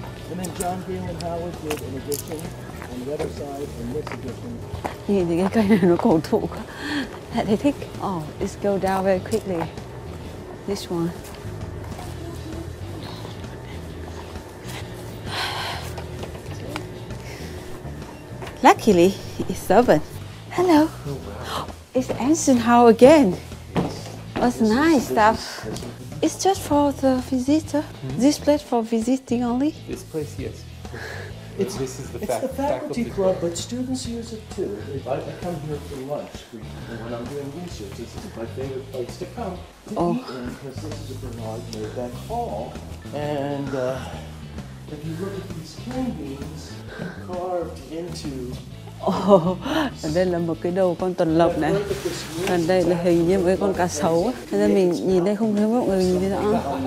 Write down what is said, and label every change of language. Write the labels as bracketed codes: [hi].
[en] And then John Green and Howard did an addition on the other side and this addition. [vi] Nhìn thấy cái cây này nó cổ thụ quá. Là thấy thích. [en] Oh, it's go down very quickly. This one. Luckily, it's open. Hello. It's ancient house again. That's nice stuff. It's just for the visitor. This place for visiting only. This place, yes. It's the faculty club, but students use it too. I come here for lunch when I'm doing research. This is my favorite place to come to eat in because this is a Bernard Maybeck hall. And if you look at these cane beans carved into. [vi] Ở đây là một cái đầu con tuần lộc này. Còn đây là hình như một cái con cá sấu. Thế nên mình nhìn đây không thấy mọi người nhìn thấy rõ.